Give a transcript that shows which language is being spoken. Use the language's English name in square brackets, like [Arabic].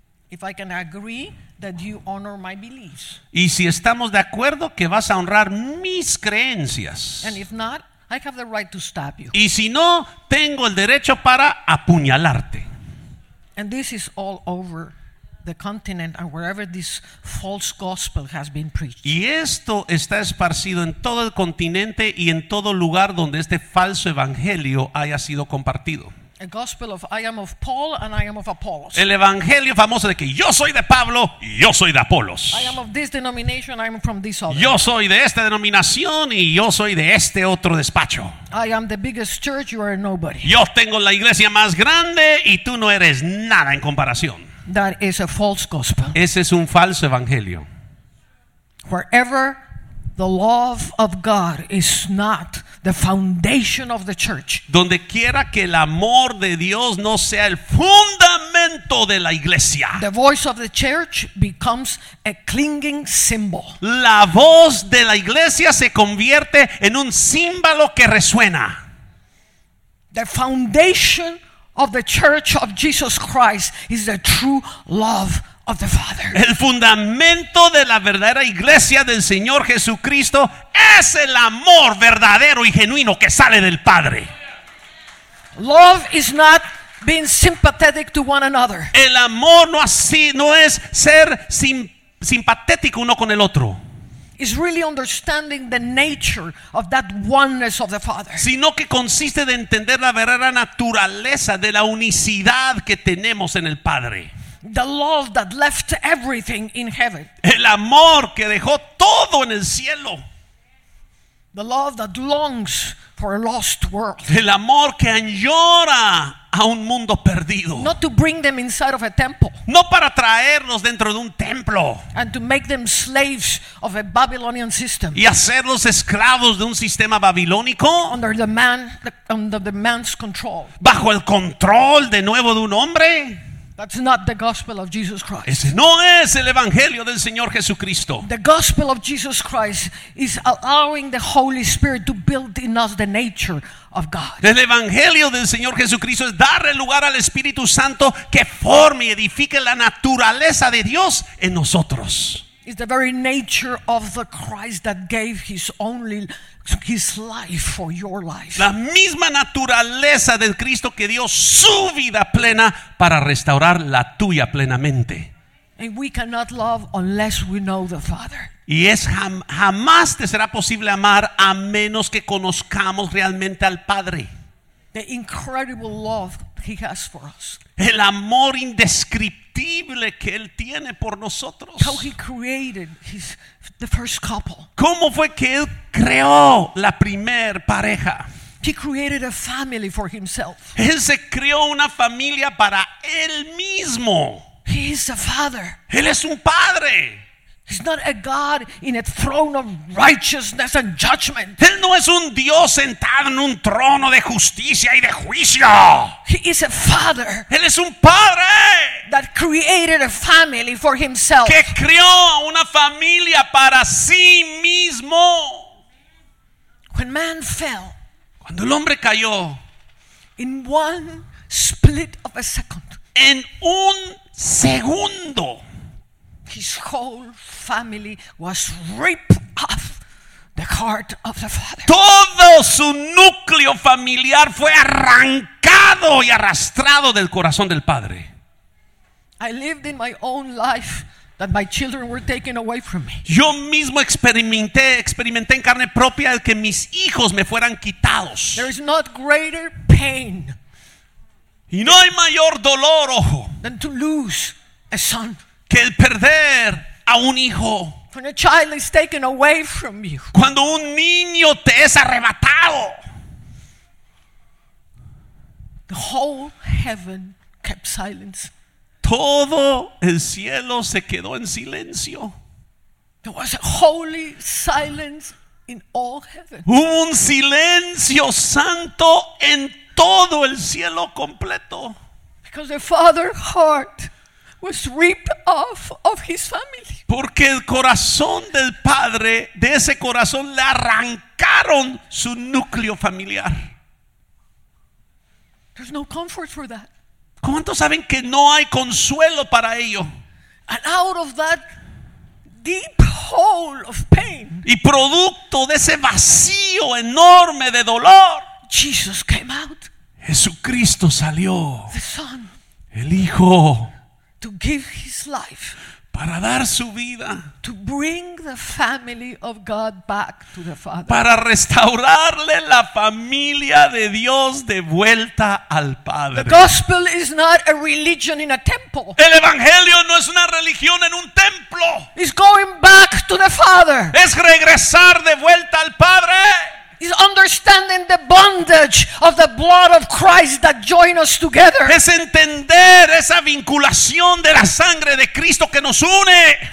[English] If I can agree that you honor my beliefs. [Spanish] Y si estamos de acuerdo que vas a honrar mis creencias. [English] And if not, I have the right to stab you. [Spanish] Y si no, tengo el derecho para apuñalarte. [English] And this is all over the continent and wherever this false gospel has been preached. [Spanish] Y esto está esparcido en todo el continente y en todo lugar donde este falso evangelio haya sido compartido. [English] A gospel of I am of Paul and I am of Apollos. [Spanish] El evangelio famoso de que yo soy de Pablo y yo soy de Apolos. [English] I am of this denomination, I am from this other. [Spanish] Yo soy de esta denominación y yo soy de este otro despacho. [English] I am the biggest church, you are nobody. [Spanish] Yo tengo la iglesia más grande y tú no eres nada en comparación. [English] That is a false gospel. [Spanish] Ese es un falso evangelio. [English] Wherever the love of God is not the foundation of the church. [Spanish] Donde quiera que el amor de Dios no sea el fundamento de la iglesia. [English] The voice of the church becomes a clinging cymbal. [Spanish] La voz de la iglesia se convierte en un címbalo que resuena. [English] The foundation of the church of Jesus Christ is the true love of the Father. [Spanish] El fundamento de la verdadera iglesia del Señor Jesucristo es el amor verdadero y genuino que sale del Padre. [English] Love is not being sympathetic to one another. [Spanish] El amor no así no es ser simpatético uno con el otro. [English] Is really understanding the nature of that oneness of the Father. [Spanish] Sino que consiste de entender la verdadera naturaleza de la unicidad que tenemos en el Padre. [English] The love that left everything in heaven. [Spanish] El amor que dejó todo en el cielo. [English] The love that longs for a lost world. [Spanish] El amor que añora a un mundo perdido. [English] Not to bring them inside of a temple. [Spanish] No para traerlos dentro de un templo. [English] And to make them slaves of a Babylonian system. [Spanish] Y hacerlos esclavos de un sistema babilónico. [English] Under the man's control. [Spanish] Bajo el control de nuevo de un hombre. [English] That's not the gospel of Jesus Christ. [Spanish] Ese no es el evangelio del Señor Jesucristo. [English] The gospel of Jesus Christ is allowing the Holy Spirit to build in us the nature of God. [Spanish] El evangelio del Señor Jesucristo es darle lugar al Espíritu Santo que forme y edifique la naturaleza de Dios en nosotros. [English] It's the very nature of the Christ that gave his life for your life. [Spanish] La misma naturaleza del Cristo que dio su vida plena para restaurar la tuya plenamente. [English] And we cannot love unless we know the Father. [Spanish] Y es jamás te será posible amar a menos que conozcamos realmente al Padre. [English] The incredible love he has for us. [Spanish] El amor indescriptible que él tiene por nosotros. [English] How he created the first couple. [Spanish] ¿Cómo fue que él creó la primer pareja? [English] He created a family for himself. [Spanish] Él se creó una familia para él mismo. [English] He is a father. [Spanish] Él es un padre. [English] He's not a God in a throne of righteousness and judgment. [Spanish] Él no es un Dios sentado en un trono de justicia y de juicio. [English] He is a father. [Spanish] Él es un padre. [English] That created a family for himself. [Spanish] Que creó una familia para sí mismo. [English] When man fell. [Spanish] Cuando el hombre cayó. [English] In one split of a second. [Spanish] En un segundo. [English] His whole family was ripped off the heart of the Father. [Spanish] Todo su núcleo familiar fue arrancado y arrastrado del corazón del Padre. [English] I lived in my own life that my children were taken away from me. [Spanish] Yo mismo experimenté en carne propia el que mis hijos me fueran quitados. [English] There is not greater pain. [Spanish] Y no hay mayor dolor, ojo. [English] Than to lose a son. [Spanish] Que el perder a un hijo. [English] When a child is taken away from you. [Spanish] Cuando un niño te es arrebatado. [English] The whole heaven kept silence. [Spanish] Todo el cielo se quedó en silencio. [English] There was a holy silence in all heaven. [Spanish] Hubo un silencio santo en todo el cielo completo. [English] Because the Father's heart was ripped off of his family. [Spanish] Porque el corazón del padre, de ese corazón le arrancaron su núcleo familiar. [English] There's no comfort for that. [Spanish] ¿Cuántos saben que no hay consuelo para ello? [English] And out of that deep hole of pain. [Spanish] Y producto de ese vacío enorme de dolor, [English] Jesus came out. [Spanish] Jesucristo salió. [English] The Son. [Spanish] El Hijo. [English] To give his life. [Spanish] Para dar su vida. [English] To bring the family of God back to the Father. [Spanish] Para restaurarle la familia de Dios de vuelta al Padre. [English] The gospel is not a religion in a temple. [Spanish] El evangelio no es una religión en un templo. [English] It's going back to the Father. [Spanish] Es regresar de vuelta al Padre. [English] Is understanding the bondage of the blood of Christ that join us together. [Spanish] Es entender esa vinculación de la sangre de Cristo que nos une.